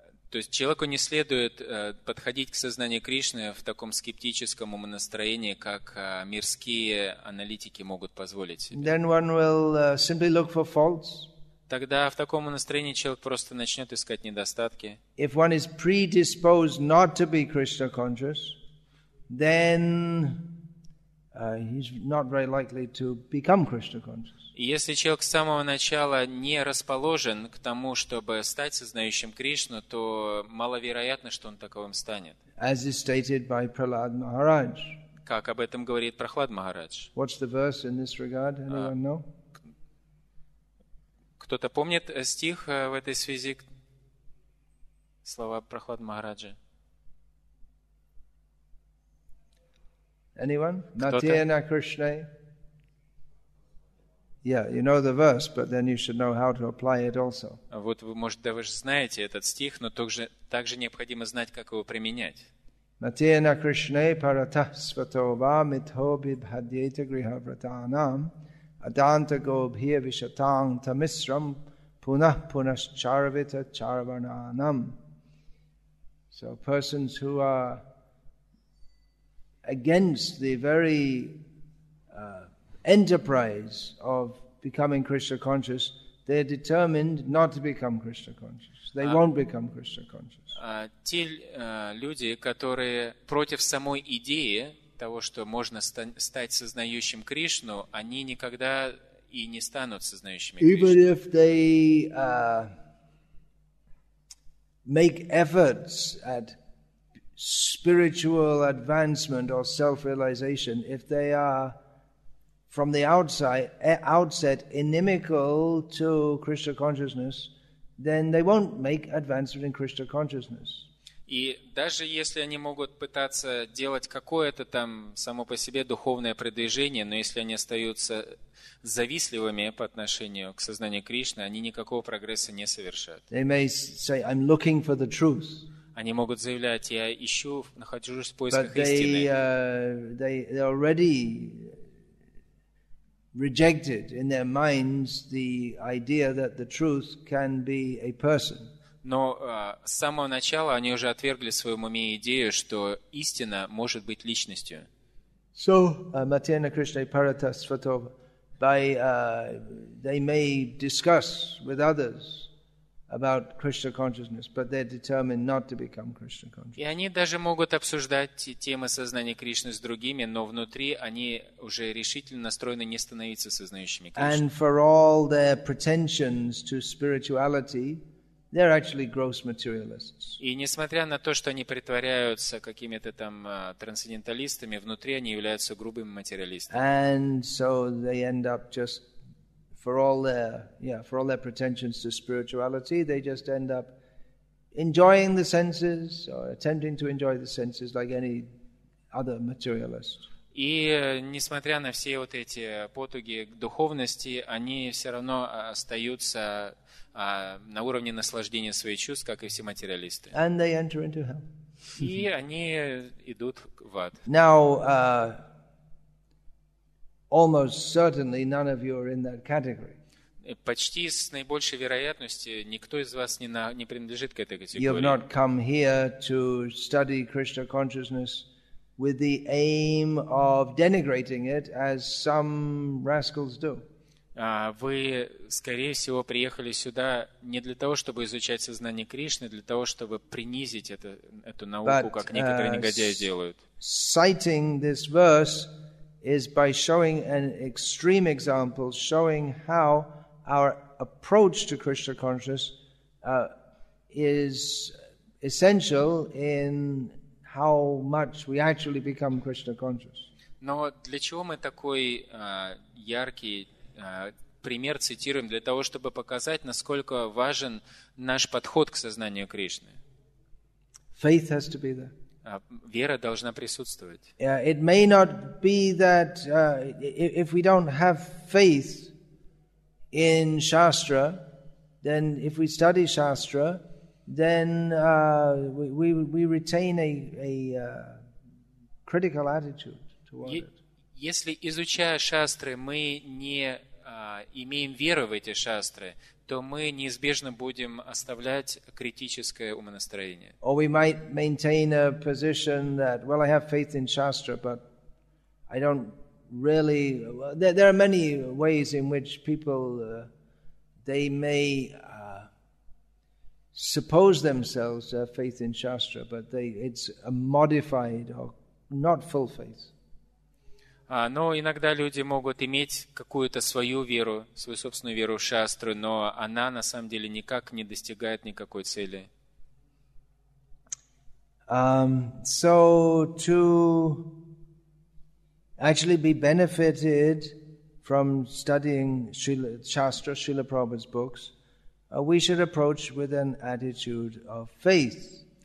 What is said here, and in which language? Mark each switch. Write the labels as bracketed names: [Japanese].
[Russian] То есть человеку не следует подходить к сознанию Кришны в таком скептическом умонастроении, как мирские аналитики могут позволить себе. [English] Then one will simply look for faults. [Russian] Тогда в таком умонастроении человек просто начнет искать недостатки. [English] If one is predisposed not to be Krishna conscious, then he's not very likely to become Krishna conscious. [Russian] Если человек с самого начала не расположен к тому, чтобы стать сознающим Кришну, то маловероятно, что он таковым станет. [English] As is stated by Prahlad Maharaj. [Russian] Как об этом говорит Прохлад Махарадж. [English] What's the verse in this regard? Anyone know? [Russian] Кто-то помнит стих в этой связи? Слова Прохлад Махараджа? [English] Anyone? [Sanskrit] Natyena Krishna. [English] Yeah, you know the verse, but then you should know how to apply it also. [Russian] Вот вы, может, да, вы же знаете этот стих, но также необходимо знать, как его применять. [Sanskrit] Natyena Krishna paratah svato va mitho bibhadyeta grihavratanam adanta gobhir vishatang tamisram punah punash charavita charavananam. [English] So persons who are against the very enterprise of becoming Krishna conscious, they are determined not to become Krishna conscious. They won't become Krishna conscious. [Russian] Те люди, которые против самой идеи того, что можно стать сознающим Кришну, они никогда и не станут сознающими Кришну. [English] Even if they make efforts at spiritual advancement or self-realization, if they are from the outset inimical to Krishna consciousness, then they won't make advancement in Krishna consciousness. [Russian] И даже если они могут пытаться делать какое-то там само по себе духовное продвижение, но если они остаются завистливыми по отношению к сознанию Кришны, они никакого прогресса не совершат. [English] They may say, I'm looking for the truth. [Russian] Они могут заявлять, я ищу, нахожусь в поисках истины. [English] But they already rejected in their minds the idea that the truth can be a person. [Russian] Но с самого начала они уже отвергли в своем уме идею, что истина может быть личностью. [English] So, [Sanskrit] Matena Krishna Parata Svatova, [English] they may discuss with others about Krishna consciousness, but they're determined not to become Krishna conscious. [Russian] И они даже могут обсуждать темы сознания Кришны с другими, но внутри они уже решительно настроены не становиться сознающими Кришны. [English] And for all their pretensions to spirituality, They're actually gross materialists. [Russian] И несмотря на то, что они притворяются какими-то там трансценденталистами, внутри они являются грубыми материалистами. [English] And so they end up just for all their pretensions to spirituality, they just end up enjoying the senses or attempting to enjoy the senses like any other materialist. [Russian] И несмотря на все вот эти потуги к духовности, они все равно остаются на уровне наслаждения своих чувств, как и все материалисты. [English] And they enter into hell. [Russian] И они идут в ад. [English] Now, almost certainly none of you are in that category. [Russian] Почти с наибольшей вероятностью никто из вас не принадлежит к этой категории. [English] You have not come here to study Krishna consciousness with the aim of denigrating it, as some rascals do. [Russian] Вы, скорее всего, приехали сюда не для того, чтобы изучать сознание Кришны, для того, чтобы принизить эту науку, [English] but, [Russian] как некоторые негодяи делают. [English] Citing this verse is by showing an extreme example, showing how our approach to Krishna consciousness is essential in how much we actually become Krishna conscious. [Russian] Но для чего мы такой яркий пример цитируем? Для того, чтобы показать, насколько важен наш подход к сознанию Кришны. [English] Faith has to be there. [Russian] Вера должна присутствовать. [English] It may not be that if we don't have faith in Shastra, then if we study Shastra, then we retain a critical attitude toward it. [Russian] Если изучая шастры, мы не имеем веру в эти шастры, то мы неизбежно будем оставлять критическое умонастроение. [English] Or we might maintain a position that, well, I have faith in Shastra, but I don't really. There are many ways in which people they may suppose themselves their faith in Shastra, but it's a modified or not full faith. [Russian] Но иногда люди могут иметь какую-то свою веру, свою собственную веру в Шастру, но она на самом деле никак не достигает никакой цели. [English] So to actually be benefited from studying Shastra, Srila Prabhupada's books, we should approach with an attitude of faith.